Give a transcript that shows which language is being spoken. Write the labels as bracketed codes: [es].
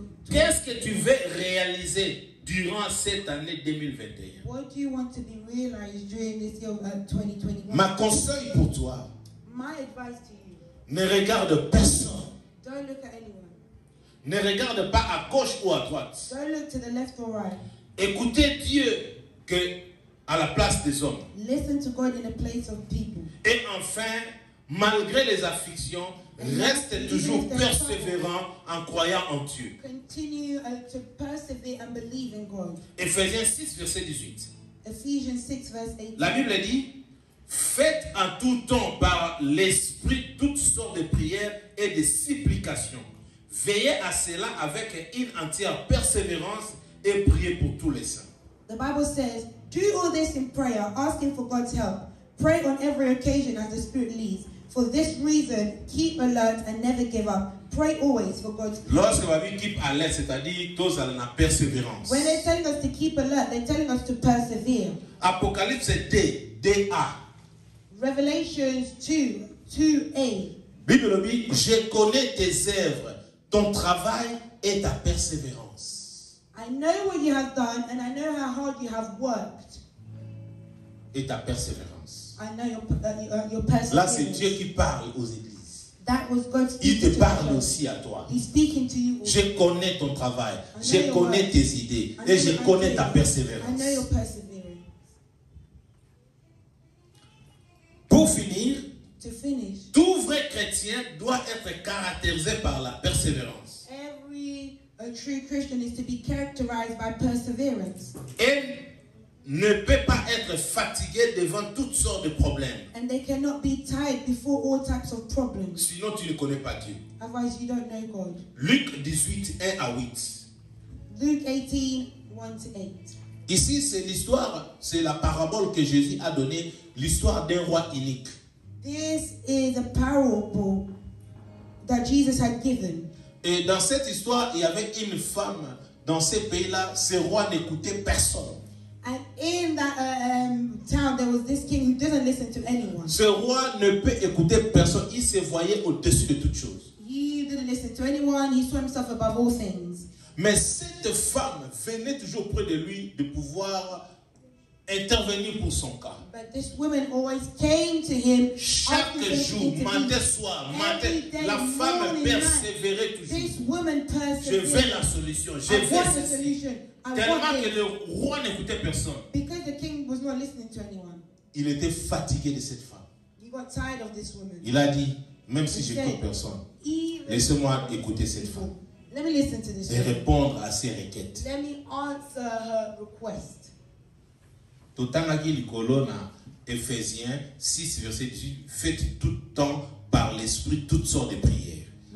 [fr] Qu'est-ce que tu veux réaliser durant cette année 2021? [en] What do you want to be realized during this year of 2021? [fr] Ma conseil pour toi. [en] My advice to you. [fr] Ne regarde personne. [en] Don't look at anyone. [fr] Ne regarde pas à gauche ou à droite. [en] Don't look to the left or right. [fr] Écoutez Dieu que à la place des hommes. [en] Listen to God in the place of people. [fr] Et enfin, malgré les afflictions, reste toujours persévérant en croyant en Dieu. [en] Continue to persevere and believe in God. [fr] Ephésiens 6, verset 18. [en] Ephesians 6, verse 18. [fr] La Bible dit, faites en tout temps par l'Esprit toutes sortes de prières et de supplications. Veillez à cela avec une entière persévérance et priez pour tous les saints. [en] The Bible says, do all this in prayer, asking for God's help. Pray on every occasion as the Spirit leads. For this reason, keep alert and never give up. Pray always for God's peace. [fr] Lorsque la Bible [en] keep alert, [fr] c'est-à-dire tous à la persévérance. [en] When they're telling us to keep alert, they're telling us to persevere. [fr] Apocalypse 2:2a. [en] Revelations 2:2a. [fr] Bible dit, je connais tes œuvres, ton travail et ta persévérance. [en] I know what you have done and I know how hard you have worked. [fr] Et ta persévérance. [en] I know your personal [fr] là, c'est Dieu qui parle aux églises. [en] That was God speaking. [fr] Il te parle aussi à toi. [en] He's speaking to you. [fr] Je connais ton travail. Je connais tes idées. Et je connais ta persévérance. [en] I know your perseverance. [fr] Pour finir, [en] to finish, [fr] tout vrai chrétien doit être caractérisé par la persévérance. [en] Every a true Christian is to be characterized by perseverance. [fr] Et ne peut pas être fatigué devant toutes sortes de problèmes. [en] And they cannot be tired before all types of problems. [fr] Sinon, tu ne connais pas Dieu. [en] Otherwise, you don't know God. [fr] Luc 18, 1 à 8. [en] Luke 18, 1 to 8. [fr] Ici, c'est l'histoire, c'est la parabole que Jésus a donnée, l'histoire d'un roi inique. [en] This is a parable that Jesus had given. [fr] Et dans cette histoire, il y avait une femme dans ces pays-là, ce roi n'écoutait personne. [en] And in that town, there was this king who didn't listen to anyone. [fr] Ce roi ne peut écouter personne. Il se voyait au-dessus de toutes choses. [en] He didn't listen to anyone. He saw himself above all things. [fr] Mais cette femme venait toujours près de lui de pouvoir intervenir pour son cas. [en] But this woman always came to him. [fr] Chaque jour, matin, soir, matin, la femme persévérait toujours. [en] This woman persevered. [fr] Je veux la solution. Je veux la solution. Tellement que le roi n'écoutait personne. [en] Because the king was not listening to anyone. [fr] Il était fatigué de cette femme. [en] He got tired of this woman. [fr] Il a dit, même si je n'écoute personne, laissez-moi écouter cette femme. [en] Let me listen to this. [fr] Et répondre à ses requêtes. [en] Let me answer her request. [fr] Tout en aguil colonna Ephésiens 6 verset 18, faites tout temps par l'esprit toutes sortes de prières.